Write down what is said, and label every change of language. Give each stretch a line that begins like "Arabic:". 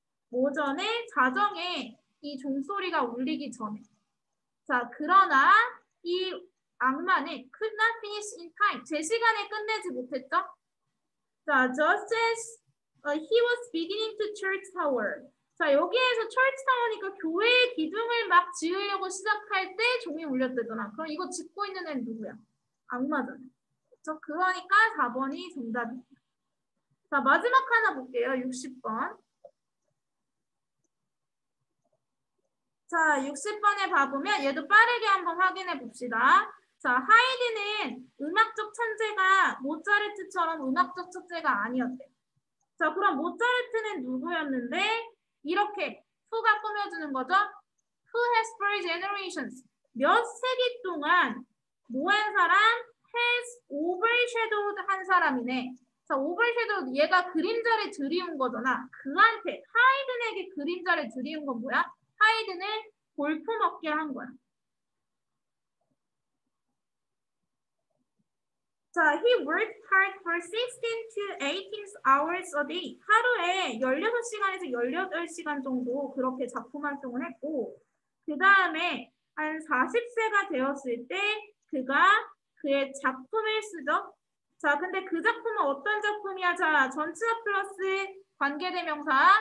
Korean: 오전에 자정에 이 종소리가 울리기 전에.
English: 자, 그러나 이 악마는 could not finish in time.
Korean: 제 시간에 끝내지 못했죠?
English: 자, just as he was beginning to church tower.
Korean: 자, 여기에서 church tower 니까 교회의 기둥을 막 지으려고 시작할 때 종이 울렸대잖아. 그럼 이거 짓고 있는 애는 누구야? 악마잖아. 그렇죠? 그러니까 4번이 정답입니다. 자, 마지막 하나 볼게요. 60번. 자, 60번에 봐보면 얘도 빠르게 한번 확인해 봅시다. 자, 하이든은 음악적 천재가 모차르트처럼 음악적 천재가 아니었대. 자, 그럼 모차르트는 누구였는데? 이렇게 후가 꾸며주는 거죠?
English: Who has three generations?
Korean: 몇 세기 동안 뭐한 사람? Has overshadowed 한 사람이네. 자, 오버쉐도우, 얘가 그림자를 드리운 거잖아. 그한테, 하이든에게 그림자를 드리운 건 뭐야? 하이든을 볼품없게 한 거야.
English: 자, he worked hard for 16 to 18 hours a day.
Korean: 하루에 16시간에서 18시간 정도 그렇게 작품 활동을 했고, 그 다음에 한 40세가 되었을 때, 그가 그의 작품을 쓰죠. 자, 근데 그 작품은 어떤 작품이야? 자, 전치사 플러스 관계대명사.